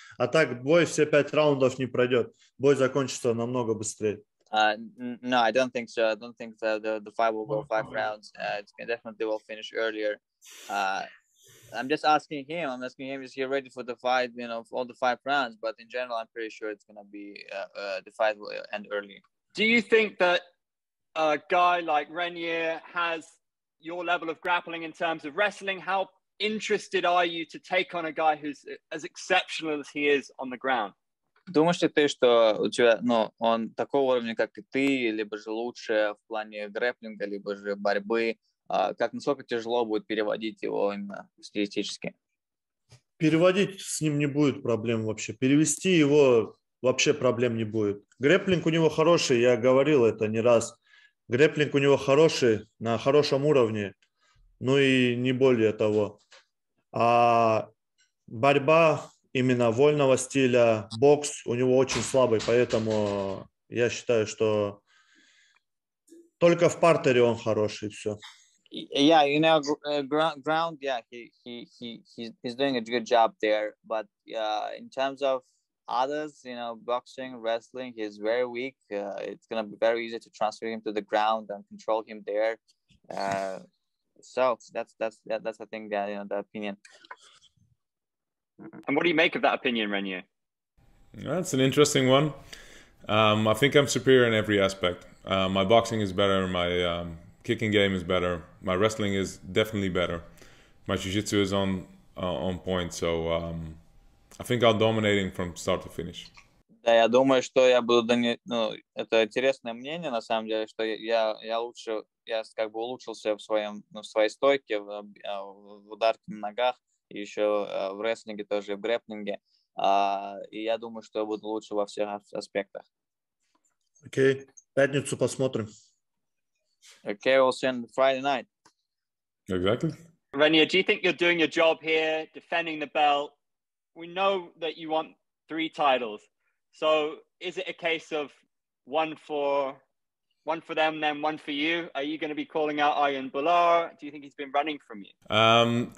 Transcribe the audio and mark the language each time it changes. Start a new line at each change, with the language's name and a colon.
Russian: А так бой все 5 раундов не пройдет. Бой закончится намного быстрее.
English: No, I don't think so. I don't think that the fight will go 5 rounds. It's gonna definitely will finish earlier. I'm just asking him. I'm asking him, is he ready for the fight, you know, for all the 5 rounds? But in general, I'm pretty sure it's gonna be the fight will end early. Do you think that a guy like Reinier has your level of grappling in terms of wrestling? How interested are you to take on a guy who's as exceptional as he is on the ground?
Russian: Думаешь ли ты, что у тебя, ну, он такого уровня, как и ты, либо же лучше в плане грэпплинга, либо же борьбы? Как, насколько тяжело будет переводить его именно стилистически? Переводить с ним не будет проблем вообще. Перевести его вообще проблем не будет. Грэпплинг у него хороший, я говорил это не раз. Грэпплинг у него хороший, на хорошем уровне. Ну и не более того. А борьба именно вольного стиля, бокс у него очень слабый, поэтому я считаю, что только в партере он хороший, и все.
English: Yeah, you know, ground, yeah, he's doing a good job there, but in terms of others, you know, boxing, wrestling, he's very weak. It's gonna be very easy to transfer him to the ground and control him there. So that's I think that, you know, the opinion. And what do you make of that opinion, Reinier? That's an interesting one. I think I'm superior in every aspect. My boxing is better, my kicking game is better, my wrestling is definitely better. My jiu-jitsu is on point, so I think I'll dominate him from start to finish.
Russian: Да, я думаю, что я буду донести, ну, это интересное мнение, на самом деле, что я как бы улучшился в своем, ну, в своей стойке, в ударке на ногах, еще в рестлинге, тоже в грэпплинге, и я думаю, что я буду лучше во всех аспектах. Окей, пятницу посмотрим.
English: Окей, we'll see on Friday night. Exactly. Reinier, do you think you're doing your job here, defending the belt? We know that you want 3 titles. So is it a case of one for them, then one for you? Are you going to be calling out Ayan Bolar? Do you think he's been running from you?